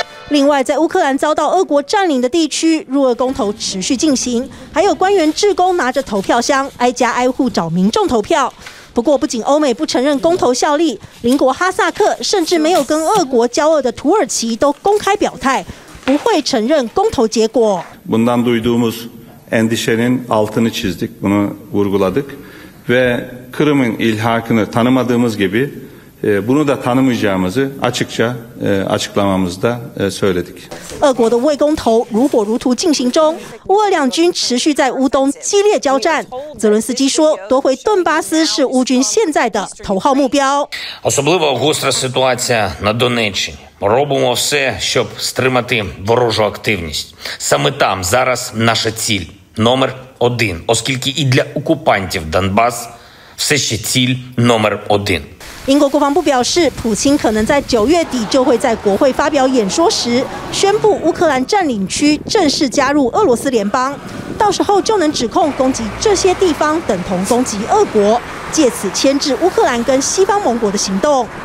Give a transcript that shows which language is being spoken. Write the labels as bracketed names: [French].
[Chinese] 另外，在乌克兰遭到俄国占领的地区，入俄公投持续进行，还有官员志工拿着投票箱挨家挨户找民众投票。不过，不仅欧美不承认公投效力，邻国哈萨克甚至没有跟俄国交恶的土耳其都公开表态，不会承认公投结果。 [Turkish] Bundan duyduğumuz endişenin altını çizdik, bunu vurguladık ve Kırım'ın ilhakını tanımadığımız gibi. Bunu da tanımayacağımızı açıkça açıklamamızda söyledik. [Chinese] 俄国的卫公投如火如荼进行中，乌俄两军持续在乌东激烈交战。泽伦斯基说，夺回顿巴斯是乌军现在的头号目标。 [Ukrainian] Особливо гостра ситуація на Донеччині. Робимо все, щоб стримати ворожу активність. Саме там зараз наша ціль номер один, оскільки і для окупантів Донбас все ще ціль номер один. [Chinese] 英国国防部表示，普京可能在九月底就会在国会发表演说时宣布乌克兰占领区正式加入俄罗斯联邦，到时候就能指控攻击这些地方等同攻击俄国，借此牵制乌克兰跟西方盟国的行动。